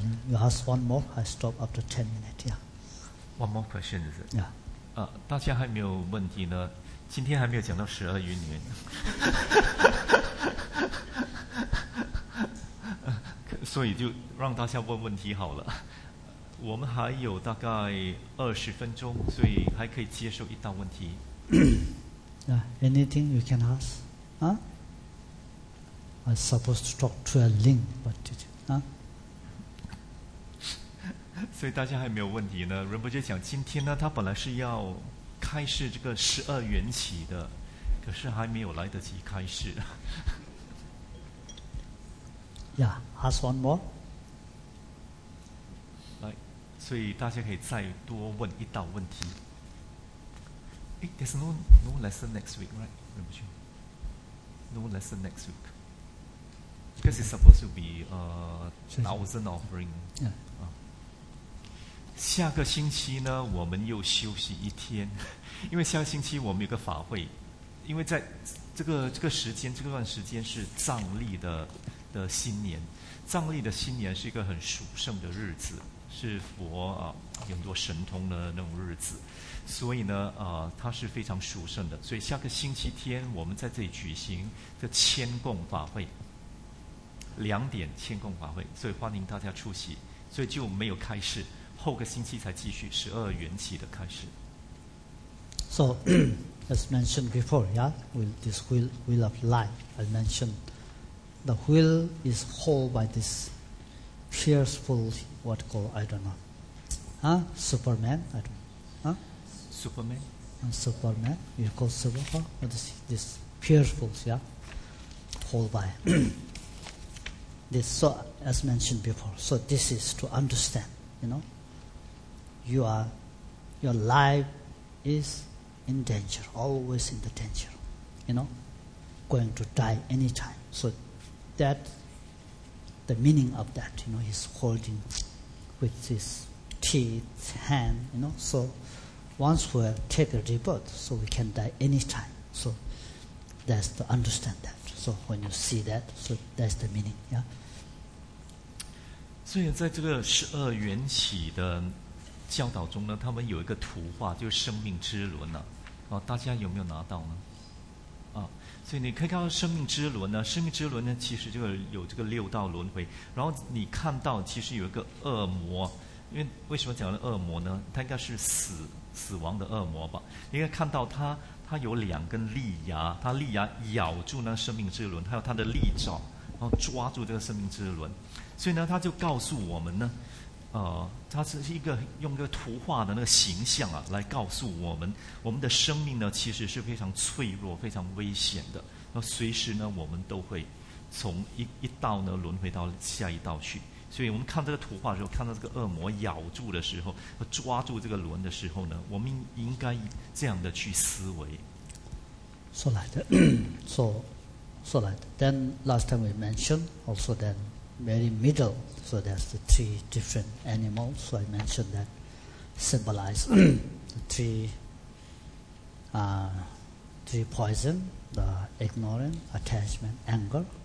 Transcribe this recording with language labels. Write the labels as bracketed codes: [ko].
[en] You ask one more, I stop after 10 minutes, yeah. One more question, is it? Yeah. [zh] 大家还没有问题呢，今天还没有讲到十二余年。所以就让大家问问题好了。我们还有大概20分钟，所以还可以接受一道问题。 [en] Yeah, anything you can ask? Huh? I supposed to talk to a link, but did you? [zh] 所以大家还没有问题呢。仁波切讲，今天呢，他本来是要开示这个十二缘起的，可是还没有来得及开示。 [en] Yeah, ask one more. [zh] 来，所以大家可以再多问一道问题。 [en] There's no lesson next week, right? 仁波切 ，no lesson next week. Because it's supposed to be a thousand offering. Yeah. [zh] 下个星期呢，我们又休息一天，因为下个星期我们有个法会，因为在这个时间这个、段时间是藏历的新年，藏历的新年是一个很殊胜的日子，是佛啊很多神通的那种日子，所以呢它是非常殊胜的，所以下个星期天我们在这里举行这千供法会。两点千供法会，所以欢迎大家出席，所以就没有开示，后个星期才继续十二缘起的开示。 [en] So as mentioned before, yeah, with this wheel of life, I mentioned the wheel is held by this fearful what called I don't know, Superman, I don't, Superman, and Superman, you call Superman, what is this fearful, yeah, hold by. This, so as mentioned before, so this is to understand, you know, your life is in danger, always in the danger, you know, going to die anytime. So that, the meaning of that, you know, he's holding with his teeth, hand, you know, so once we take a rebirth, so we can die anytime. So that's to understand that. So when you see that, so that's the meaning, yeah. [zh] 所以在这个十二缘起的教导中呢，他们有一个图画，就是生命之轮呢、大家有没有拿到呢？所以你可以看到生命之轮呢，生命之轮呢，其实就有这个六道轮回。然后你看到其实有一个恶魔，因为为什么讲的恶魔呢？它应该是死亡的恶魔吧？你应该看到它有两根利牙，它利牙咬住那生命之轮，还有它的利爪，然后抓住这个生命之轮。所以呢，他就告诉我们呢，他是一个用一个图画的那个形象啊，来告诉我们，我们的生命呢其实是非常脆弱、非常危险的。那随时呢，我们都会从一道呢轮回到下一道去。所以我们看这个图画的时候，看到这个恶魔咬住的时候，抓住这个轮的时候呢，我们应该这样的去思维。 [en] So like that. Then last time we mentioned also then. very middle. So that's the three different animals. So I mentioned that symbolize the three poison, the ignorance, attachment, anger.